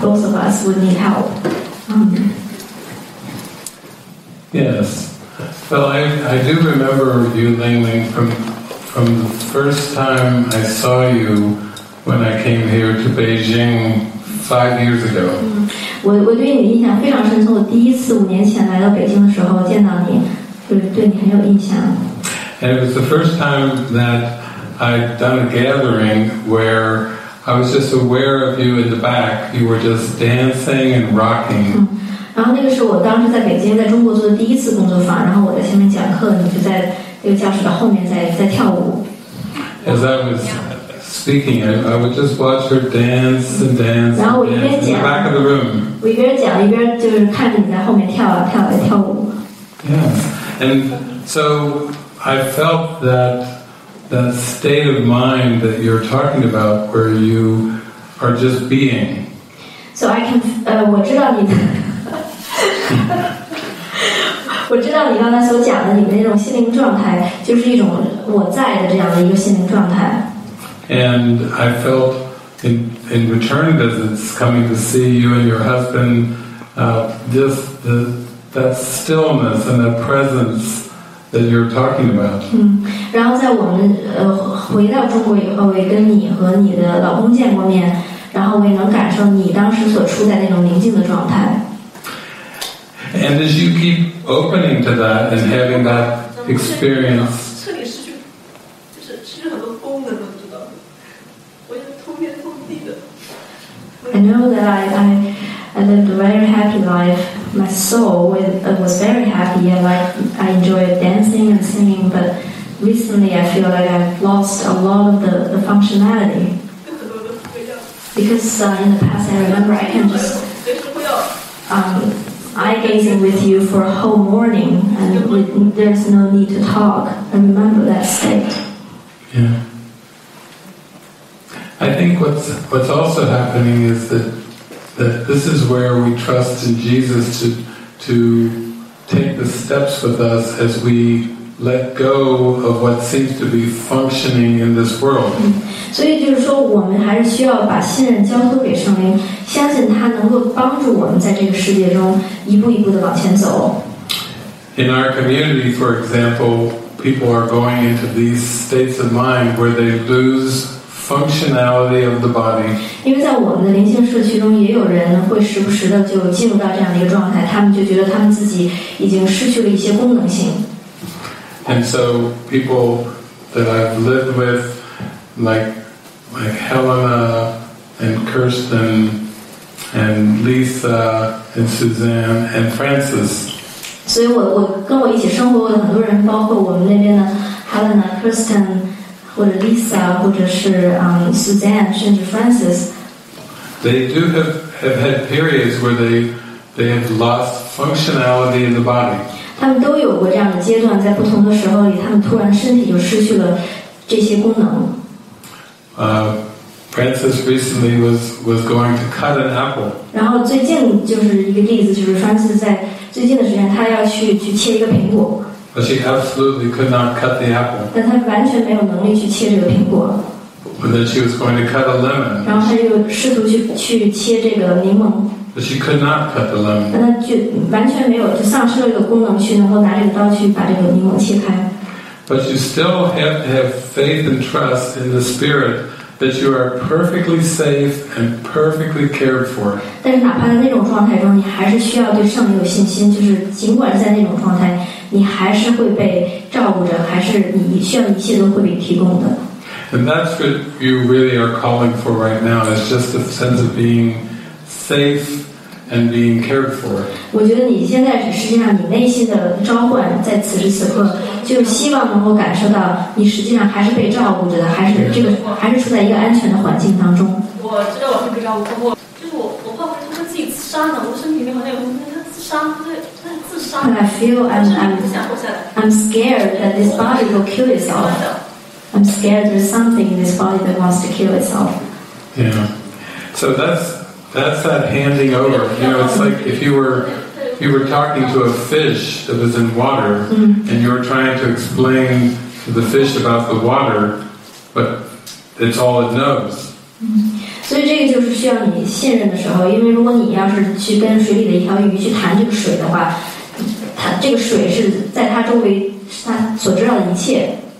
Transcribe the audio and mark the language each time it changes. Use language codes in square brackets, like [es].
[en] Both of us would need help. Yes. Well, I do remember you, Ling Ling, from the first time I saw you when I came here to Beijing 5 years ago. [zh] 我对你印象非常深，从我第一次5年前来到北京的时候见到你，就是对你很有印象。 [en] And it was the first time that I'd done a gathering where I was just aware of you in the back. You were just dancing and rocking. [zh] 然后那个是我当时在北京在中国做的第一次工作坊，然后我在前面讲课，你就在那个教室的后面在跳舞。 [en] As I was speaking, I would just watch her dance and dance and dance in the back of the room. [zh] 我一边讲一边就是看着你在后面跳啊跳啊跳舞。 [en] Yes, and so I felt that state of mind that you're talking about where you are just being. So I can, [zh] 我知道你我知道你刚才所讲的你的那种心灵状态就是一种我在的这样的一个心灵状态。 [en] And I felt in return visits coming to see you and your husband, just that stillness and that presence that you're talking about. [zh] 然后在我们回到中国以后，也跟你和你的老公见过面，然后我也能感受你当时所处在那种宁静的状态。 [en] And as you keep opening to that and having that experience, [zh] 这里失去，就是失去很多功能，知道吗？我也通天通地的。 [en] I know that I lived a very happy life. My soul was very happy, and like I enjoyed dancing and singing, but recently I feel like I've lost a lot of the functionality. Because in the past I remember I can just eye gazing with you for a whole morning, and there's no need to talk. I remember that state. Yeah. I think what's also happening is that this is where we trust in Jesus to take the steps with us as we let go of what seems to be functioning in this world. [zh] 所以就是说我们还是需要把信任交托给圣灵，相信他能够帮助我们在这个世界中一步一步地往前走。 [en] In our community, for example, people are going into these states of mind where they lose functionality of the body. [zh] 因为在我们的灵性社区中也有人会时不时地就进入到这样的一个状态，他们就觉得他们自己已经失去了一些功能性。 [en] And so people that I've lived with, like Helena and Kirsten and Lisa and Suzanne and Francis. So I [zh] 跟我一起生活过的很多人，包括我们那边的 Helena, Kirsten, 或者 Lisa, 或者是Suzanne, 甚至 Francis. [en] They do have had periods where they have lost functionality in the body. [zh] 他们都有过这样的阶段，在不同的时候里，他们突然身体就失去了这些功能。 [en] Francis recently was going to cut an apple. [zh] 然后最近就是一个例子，就是 Francis 在最近的时间，他要去切一个苹果。 [en] But she absolutely could not cut the apple. [zh] 但他完全没有能力去切这个苹果。 [en] But then she was going to cut a lemon. [zh] 然后他又试图去切这个柠檬。 [en] But she could not cut the lemon. [zh] 但她就完全没有，就丧失了一个功能，去能够拿这个刀去把这个柠檬切开。 [en] But you still have to have faith and trust in the spirit that you are perfectly safe and perfectly cared for. [zh] 但是哪怕在那种状态中，你还是需要对圣灵有信心，就是尽管在那种状态，你还是会被照顾着，还是你需要一切都会被提供的。 [en] And that's what you really are calling for right now. It's just a sense of being safe and being cared for. [zh] 我觉得你现在是实际上你内心的召唤，在此时此刻，就希望能够感受到你实际上还是被照顾着的，还是这个还是处在一个安全的环境当中。我知道我会被照顾，我会不会通过自己自杀呢？我身体里面好像有东西。 [en] And I feel I'm scared that this body will kill itself. I'm scared there's something in this body that wants to kill itself. Yeah. So that's that handing over. You know, it's like if you were talking to a fish that was in water, and you were trying to explain to the fish about the water, but it's all it knows. [zh] 所以这个就是需要你信任的时候，因为如果你要是去跟水里的一条鱼去谈这个水的话，它这个水是在它周围它所知道的一切。